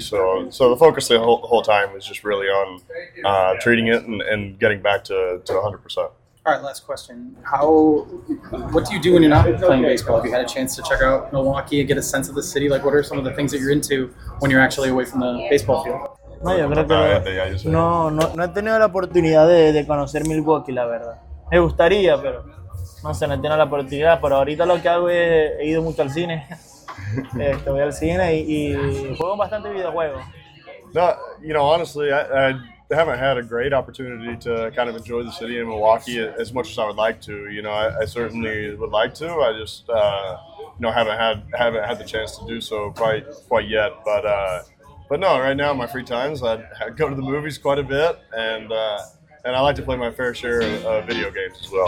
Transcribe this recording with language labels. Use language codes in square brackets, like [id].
[en] So the focus the whole time was just really on treating it and getting back to 100%. All right, last question. What do you do when you're not playing baseball? Have you had a chance to check out Milwaukee and get a sense of the city? Like, what are some of the things that you're into when you're actually away from the baseball field? [es] No, yo creo que no he tenido la oportunidad de conocer Milwaukee, la verdad. Me gustaría, pero no sé, no he tenido la oportunidad. Pero ahorita lo que hago es he ido mucho al cine. voy al cine y juego bastante videojuegos. [en] No, you know, honestly, I haven't had a great opportunity to kind of enjoy the city of Milwaukee as much as I would like to. You know, I certainly would like to. I just, haven't had the chance to do so quite yet. But no, right now in my free times, I go to the movies quite a bit, and I like to play my fair share of video games as well.